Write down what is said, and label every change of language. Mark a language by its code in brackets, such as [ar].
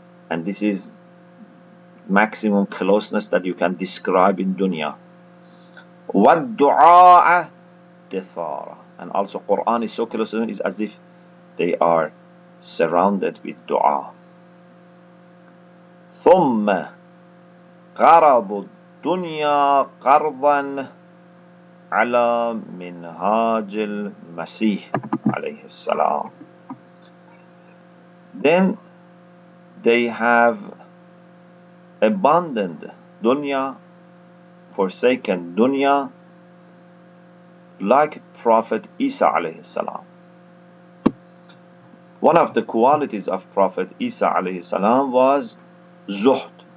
[en] And this is maximum closeness that you can describe in dunya. [ar] وَالدُّعَاءَ دِثَارًا. [en] And also Quran is so close to them, is as if they are surrounded with dua. [ar] ثم قرضوا الدنيا قرضا على منهاج المسيح عليه السلام. [en] Then they have abandoned dunya, forsaken dunya, like Prophet Isa [ar] عليه السلام. [en] One of the qualities of Prophet Isa [ar] عليه السلام [en] was Zuhd.